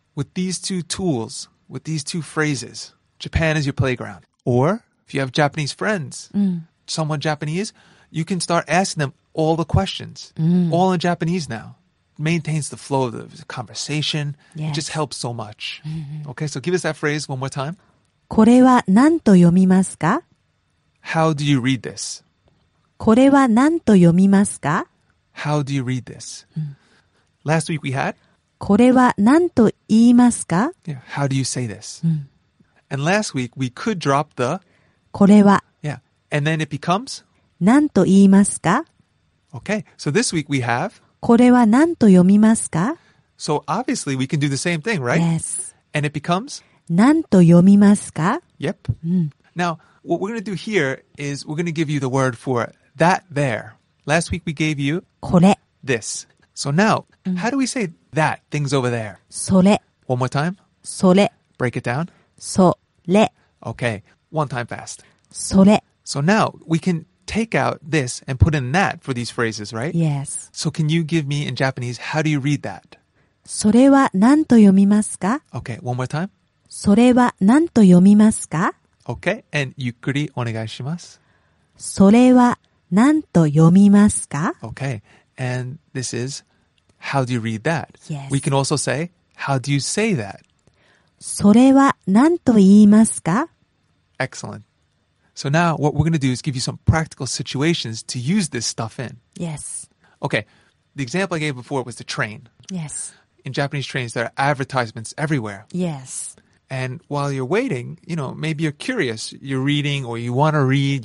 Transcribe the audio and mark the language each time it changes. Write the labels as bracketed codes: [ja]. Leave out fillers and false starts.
[en] With these two tools, with these two phrases, Japan is your playground. Or if you have Japanese friends, someone Japanese, you can start asking them all the questions, all in Japanese now. Maintains the flow of the conversation. Yes. It just helps so much. Mm-hmm. Okay, so give us that phrase one more time. [ja] これは何と読みますか? [en] How do you read this? [ja] これは何と読みますか? [en] How do you read this? Last week we had? [ja] これは何と言いますか? [en] Yeah, how do you say this? And last week we could drop the [ja] これは [en] Yeah, and then it becomes? [ja] 何と言いますか? [en] Okay, so this week we have [ja] これは何と読みますか? [en] So obviously we can do the same thing, right? Yes. And it becomes? [ja] 何と読みますか? [en] Yep. Now, what we're going to do here is we're going to give you the word for that there. Last week we gave you [ja] これ [en] this. So now, how do we say that, things over there? [ja] それ [en] One more time. [ja] それ [en] Break it down. [ja] それ [en] Okay, one time fast. [ja] それ [en] So now, we can take out this and put in that for these phrases, right? Yes. So can you give me in Japanese, how do you read that? [ja] それは何と読みますか? [en] Okay, one more time. [ja] それは何と読みますか? [en] Okay, and [ja] ゆっくり お願いします. それは何と読みますか? [en] Okay, and this is, how do you read that? Yes. We can also say, how do you say that? [ja] それは何と言いますか? [en] Excellent. So now what we're going to do is give you some practical situations to use this stuff in. Yes. Okay. The example I gave before was the train. Yes. In Japanese trains, there are advertisements everywhere. Yes. And while you're waiting, you know, maybe you're curious. You're reading or you want to read.